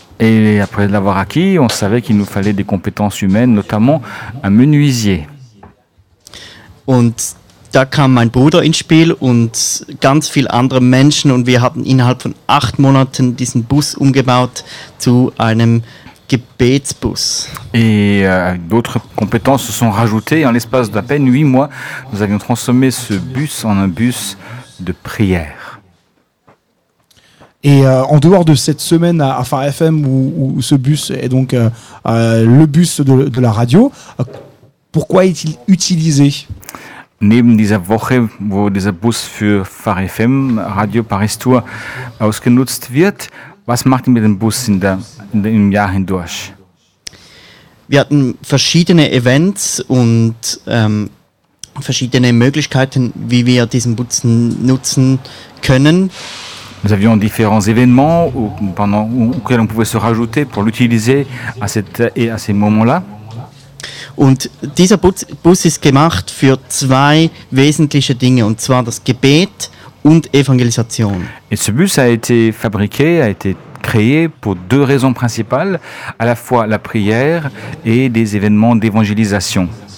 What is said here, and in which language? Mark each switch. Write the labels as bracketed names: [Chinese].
[French] Et après l'avoir acquis, on savait qu'il nous fallait des compétences humaines, notamment un menuisier. [German] Und da kam mein Bruder ins Spiel und ganz viele andere Menschen, und wir haben innerhalb von 8 Monaten diesen Bus umgebaut zu einem Gebetsbus. [French] Et d'autres compétences se sont rajoutées. En l'espace d'à peine 8 mois, nous avions transformé ce bus en un bus de prière. Et en dehors de cette semaine à Phare FM où ce bus est donc le bus de la radio, pourquoi est-il utilisé? [German] Neben dieser Woche, wo dieser Bus für Phare FM, Radio Paris Tour, ausgenutzt wird, was macht ihr mit dem Bus im Jahr hindurch? Wir hatten verschiedene Events und verschiedene Möglichkeiten, wie wir diesen Bus nutzen können. [French] Nous avions différents événements auxquels on pouvait se rajouter pour l'utiliser à ces moments-là. [German] Und dieser Bus ist gemacht für zwei wesentliche Dinge, und zwar das Gebet und Evangelisation. [French] Et ce bus a été fabriqué, a été créé pour deux raisons principales, à la fois la prière et des événements d'évangélisation.